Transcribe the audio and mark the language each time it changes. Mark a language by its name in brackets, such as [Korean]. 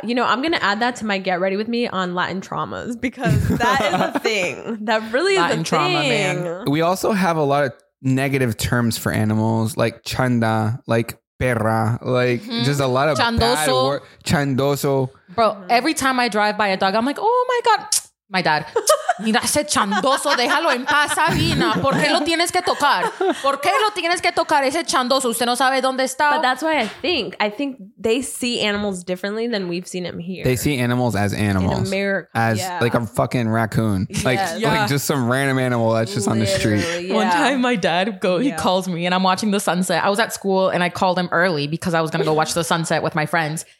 [English] You know, I'm going to add that to my get ready with me on Latin traumas because that is a thing. That really is a thing. Latin trauma, man. We also have a lot of negative terms for animals like chanda, like perra, like just a lot of [Spanish] chandoso. [English] Bad word. Chandoso. Bro, every time I drive by a dog, I'm like, oh my God, my dad. [Spanish] Mira ese chandoso, déjalo en paz, Sabina. ¿Por qué lo tienes que tocar? ¿Por qué lo tienes que tocar ese chandoso? Usted no sabe dónde está. [English] But that's why I think they see animals differently than we've seen them here. They see animals as animals. In America. As like a fucking raccoon. Like, like just some random animal that's just literally on the street. Yeah. One time my dad he calls me and I'm watching the sunset. I was at school and I called him early because I was going to go watch the sunset with my friends.